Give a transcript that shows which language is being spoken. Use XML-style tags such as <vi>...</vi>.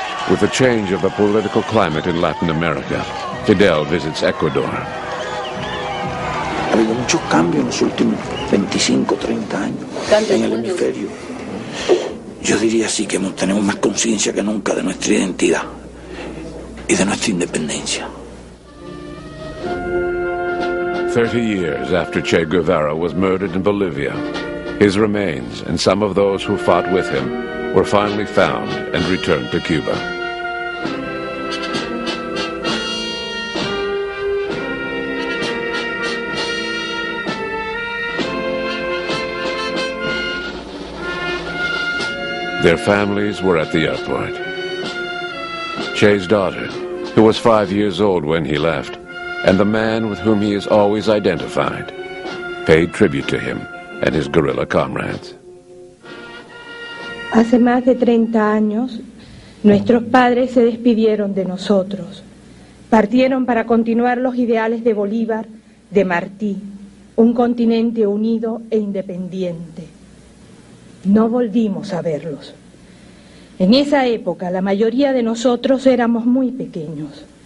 <en>With the change of the political climate in Latin America, Fidel visits Ecuador.</en> <es>Ha habido muchos cambios en los últimos 25-30 años en el hemisferio. Yo diría así que tenemos más conciencia que nunca de nuestra identidad y de nuestra independencia.</es> <en>30 years after Che Guevara was murdered in Bolivia, his remains and some of those who fought with him were finally found and returned to Cuba. Their families were at the airport. Che's daughter, who was 5 years old when he left, and the man with whom he is always identified, paid tribute to him and his guerrilla comrades.</en> <es>Hace más de 30 años, nuestros padres se despidieron de nosotros. Partieron para continuar los ideales de Bolívar, de Martí, un continente unido e independiente. No volvimos a verlos. En esa época, la mayoría de nosotros éramos muy pequeños.</es>